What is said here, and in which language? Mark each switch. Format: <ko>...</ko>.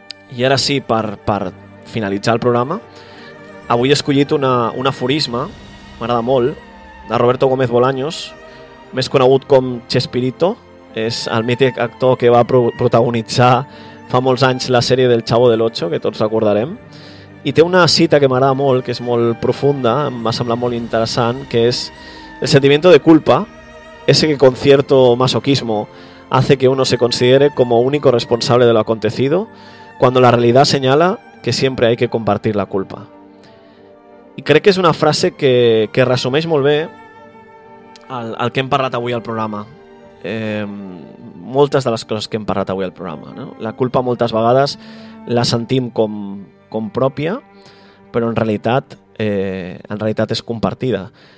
<ca>I ara sí, per finalitzar el programa, avui he escollit un aforisme, m'agrada molt, de Roberto Gómez Bolaños, més conegut com Chespirito. És el mític actor que va protagonitzar fa molts anys la sèrie del Chavo del Ocho, que tots recordarem. I té una cita que m'agrada molt, que és molt profunda, em va semblar molt interessant, que és:</ca> <es>el sentimiento de culpa, ese que con cierto masoquismo hace que uno se considere como único responsable de lo acontecido, cuando la realidad señala que siempre hay que compartir la culpa.</es> <ca>I crec que és una frase que resumeix molt bé el que hem parlat avui al programa. Moltes de les coses que hem parlat avui al programa, no? La culpa moltes vegades la sentim com pròpia, però en realitat és compartida.</ca>